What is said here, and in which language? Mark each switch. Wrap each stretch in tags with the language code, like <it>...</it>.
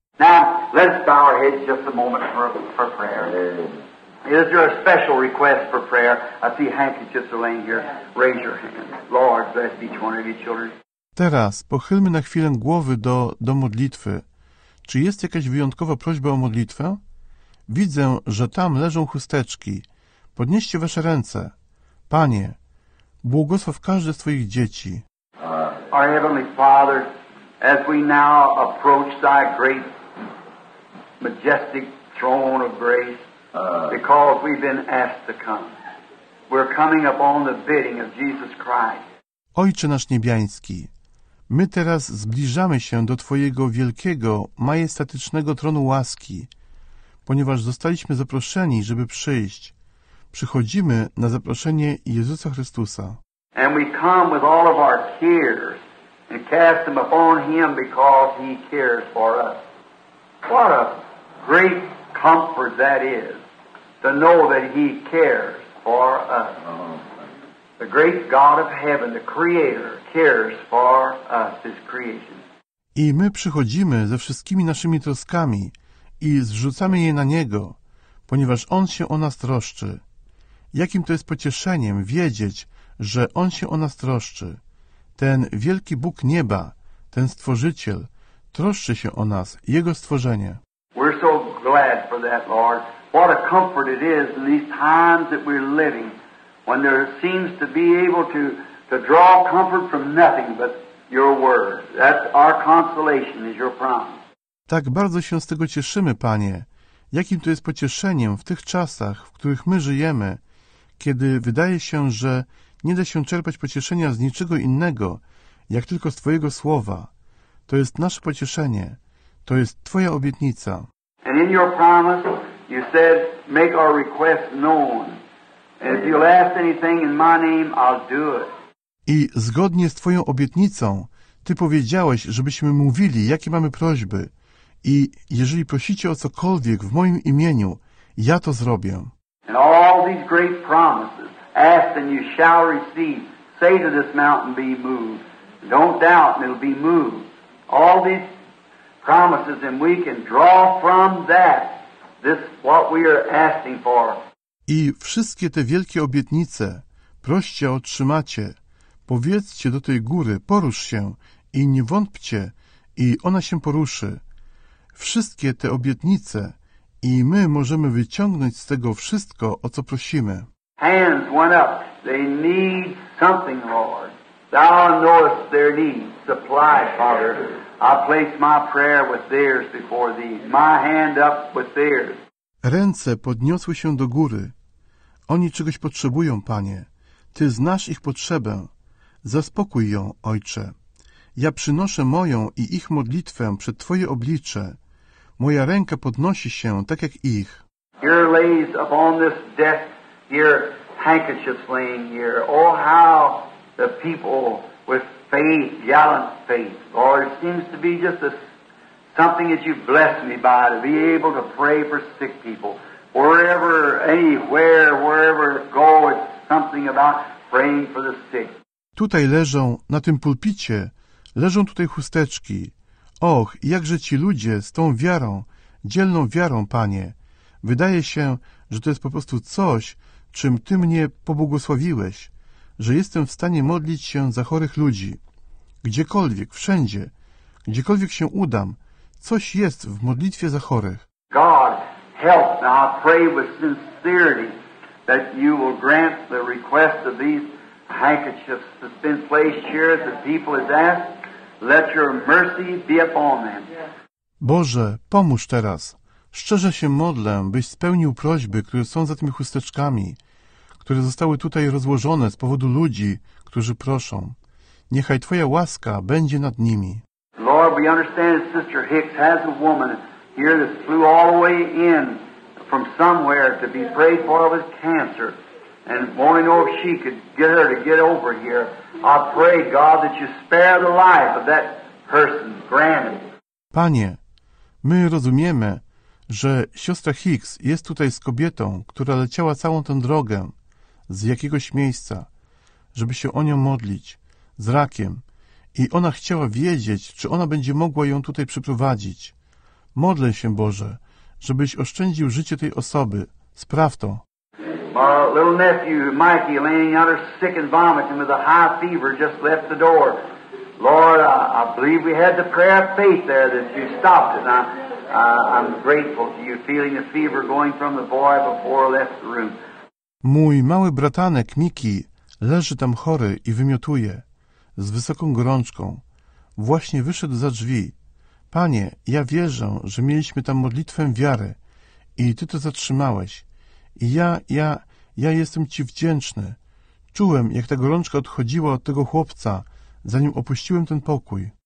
<en>Now, let's bow our heads just a moment for prayer. Is there a special request for prayer? I see handkerchiefs are laying here. Raise your hand. Lord, bless each one of you children.</en> <pl>Teraz pochylmy na chwilę głowy do modlitwy. Czy jest jakaś wyjątkowa prośba o modlitwę? Widzę, że tam leżą chusteczki. Podnieście wasze ręce. Panie, błogosław każde z Twoich dzieci.</pl> <en>Our Heavenly Father, as we now approach Thy great, majestic throne of grace, because we've been asked to come. We're coming upon the bidding of Jesus Christ.</en> <pl>Ojcze nasz niebiański, my teraz zbliżamy się do Twojego wielkiego, majestatycznego tronu łaski, ponieważ zostaliśmy zaproszeni, żeby przyjść. Przychodzimy na zaproszenie Jezusa Chrystusa.</pl> <en>And we come with all of our cares and cast them upon him because he cares for us. What a great comfort that is, to know that he cares for us. The great God of heaven, the Creator, cares for us, his creation.</en> <pl>I my przychodzimy ze wszystkimi naszymi troskami i zrzucamy je na Niego, ponieważ On się o nas troszczy. Jakim to jest pocieszeniem wiedzieć, że On się o nas troszczy. Ten wielki Bóg nieba, ten Stworzyciel, troszczy się o nas, Jego stworzenie.</pl> <en>We're so glad for that, Lord. What a comfort it is in these times that we're living, when there seems to be able to draw comfort from nothing but Your word. That's our consolation, is your promise.</en> <pl>Tak bardzo się z tego cieszymy, Panie. Jakim to jest pocieszeniem w tych czasach, w których my żyjemy, kiedy wydaje się, że nie da się czerpać pocieszenia z niczego innego, jak tylko z Twojego słowa. To jest nasze pocieszenie. To jest Twoja obietnica.</pl> <en>And in your promise, you said, make our request known. And if you'll ask anything in my name, I'll do it.</en> <pl>I zgodnie z Twoją obietnicą, Ty powiedziałeś, żebyśmy mówili, jakie mamy prośby. I jeżeli prosicie o cokolwiek w moim imieniu, ja to zrobię.</pl> <en>And all these great promises, ask and you shall receive. Say to this mountain, be moved. Don't doubt, and it'll be moved. All these promises, and we can draw from that this what we are asking for.</en> <pl>I wszystkie te wielkie obietnice, proście, otrzymacie. Powiedzcie do tej góry, porusz się i nie wątpcie, i ona się poruszy. Wszystkie te obietnice i my możemy wyciągnąć z tego wszystko, o co prosimy.</pl> <en>Hands went up. They need something, Lord. Thou knowest their need. Supply, Father. I place my prayer with theirs before thee. My hand up with theirs.</en> <pl>Ręce podniosły się do góry. Oni czegoś potrzebują, Panie. Ty znasz ich potrzebę. Zaspokój ją, Ojcze. Ja przynoszę moją i ich modlitwę przed Twoje oblicze. Moja ręka podnosi się tak jak ich.</pl> <en>Here lays upon this desk your handkerchief laying here. Oh, how the people with faith, gallant faith. Lord, it seems to be just something that you've blessed me by, to be able to pray for sick people. Wherever, anywhere, wherever go, it's something about praying for the sick.</en> <pl>Tutaj leżą, na tym pulpicie, leżą tutaj chusteczki. Och, jakże ci ludzie z tą wiarą, dzielną wiarą, Panie. Wydaje się, że to jest po prostu coś, czym Ty mnie pobłogosławiłeś, że jestem w stanie modlić się za chorych ludzi. Gdziekolwiek, wszędzie, gdziekolwiek się udam, coś jest w modlitwie za chorych.</pl> <en>God, help, now I pray with sincerity that you will grant the request of these handkerchiefs that's been placed here as the people has asked, let your mercy be upon them.</en> <pl>Boże, pomóż teraz. Szczerze się modlę, byś spełnił prośby, które są za tymi chusteczkami, które zostały tutaj rozłożone z powodu ludzi, którzy proszą. Niechaj Twoja łaska będzie nad nimi.</pl> <en>Lord, we understand that Sister Hicks has a woman here that flew all the way in from somewhere to be prayed for with cancer. And want to know if she could get her to get over here. I pray, God, that you spare the life of that person. Grant it.</en> <pl>Panie, my rozumiemy, że siostra Hicks jest tutaj z kobietą, która leciała całą tę drogę z jakiegoś miejsca, żeby się o nią modlić, z rakiem. I ona chciała wiedzieć, czy ona będzie mogła ją tutaj przyprowadzić. Modlę się, Boże, żebyś oszczędził życie tej osoby. Spraw to.</pl> <en>My little nephew, Mikey, laying out sick and vomiting with a high fever, just left the door. Lord, I believe we had the prayer of faith there that you stopped it. I'm grateful to you, feeling the fever going from the boy before I left the room.</en> <pl>Mój mały bratanek, Mikey, leży tam chory i wymiotuje z wysoką gorączką. Właśnie wyszedł za drzwi. Panie, ja wierzę, że mieliśmy tam modlitwę wiary i Ty to zatrzymałeś. I ja jestem Ci wdzięczny. Czułem, jak ta gorączka odchodziła od tego chłopca, zanim opuściłem ten pokój.</pl>